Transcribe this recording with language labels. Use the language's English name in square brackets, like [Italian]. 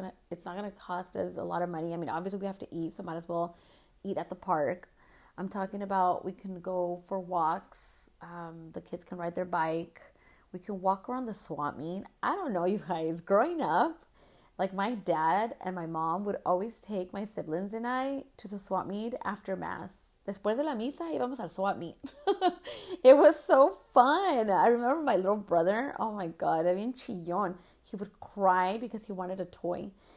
[English] It's not gonna cost us a lot of money. I mean, obviously we have to eat, so might as well eat at the park. I'm talking about we can go for walks. The kids can ride their bike. We can walk around the swap meet. I don't know, you guys, growing up, like my dad and my mom would always take my siblings and I to the swap meet after mass. [Spanish] Después de la misa, íbamos al swap meet. [English] It was so fun. I remember my little brother, oh my God, I mean, chillón. He would cry because he wanted a toy.